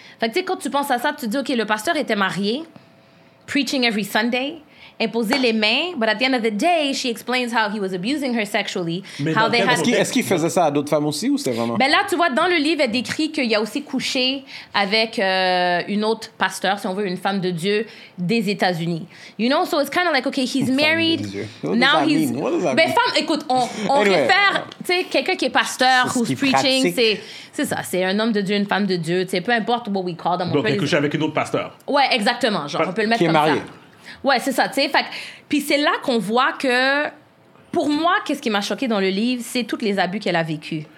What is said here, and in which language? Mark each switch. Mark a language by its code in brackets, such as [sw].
[fr] Fait que, tu sais, quand tu penses à ça, tu te dis, OK, le pasteur était marié, [en] preaching every Sunday, [fr] imposé les mains, [en] but at the end of the day, she explains how he was abusing her sexually. [fr] Mais [en] how they had... [fr] est-ce qu'il faisait ça à d'autres femmes aussi, ou c'est vraiment... Ben là, tu vois, dans le livre, elle décrit qu'il a aussi couché avec une autre pasteur, si on veut, une femme de Dieu des États-Unis. [en] You know, so it's kind of like, okay, he's married. Now he's... What does that mean? [fr] Ben, femme, écoute, on anyway, réfère, tu sais, quelqu'un qui est pasteur, c'est [en] who's preaching, [fr] pratique. C'est ça, c'est un homme de Dieu, une femme de Dieu, tu sais, peu importe [en] what we call them. [fr] Donc, il couché avec une autre pasteur. Ouais, exactement, genre, on peut le mettre comme ça. Qui est marié. Ouais, c'est ça, tu sais. Puis c'est là qu'on voit que, pour moi, qu'est-ce qui m'a choqué dans le livre, c'est tous les abus qu'elle a vécu.